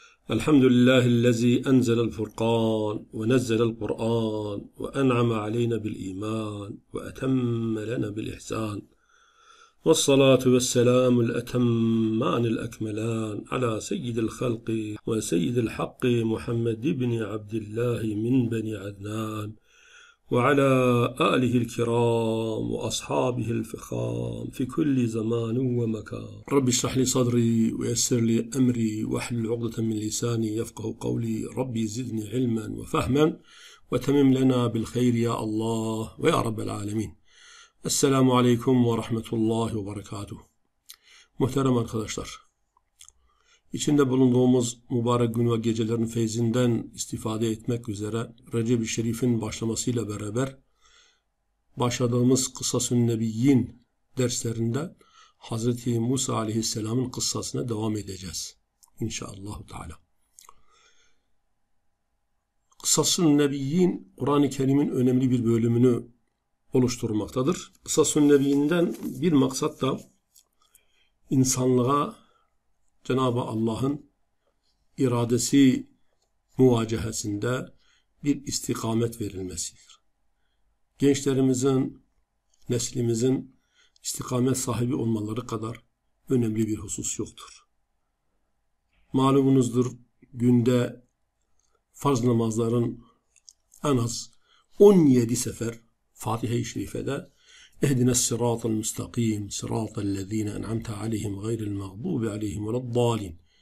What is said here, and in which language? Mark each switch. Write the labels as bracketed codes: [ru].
[ar] الحمد لله الذي أنزل الفرقان ونزل القرآن وأنعم علينا بالإيمان وأتم لنا بالإحسان، والصلاة والسلام الأتمان الأكملان على سيد الخلق وسيد الحق محمد بن عبد الله من بني عدنان، وعلى آله الكرام وأصحابه الفخام في كل زمان ومكان. رب اشرح لي صدري ويسر لي أمري واحلل عقدة من لساني يفقه قولي، ربي زدني علما وفهما وتمم لنا بالخير يا الله ويا رب العالمين. السلام عليكم ورحمة الله وبركاته. [tr] محترم arkadaşlar, İçinde bulunduğumuz mübarek gün ve gecelerin feyzinden istifade etmek üzere Recep-i Şerif'in başlamasıyla beraber başladığımız Kısas-ı Nebiyyin derslerinde Hazreti Musa Aleyhisselam'ın kıssasına devam edeceğiz. İnşallahü Teala. Kısas-ı Nebiyyin Kur'an-ı Kerim'in önemli bir bölümünü oluşturmaktadır. Kısas-ı Nebiyyin'den bir maksat da insanlığa Cenab-ı Allah'ın iradesi muvacehesinde bir istikamet verilmesidir. Gençlerimizin, neslimizin istikamet sahibi olmaları kadar önemli bir husus yoktur. Malumunuzdur, günde farz namazların en az 17 sefer Fatiha-i Şerife'de [ar] اهدنا الصراط المستقيم صراط الذين أنعمت عليهم غير المغضوب عليهم ولا الضالين.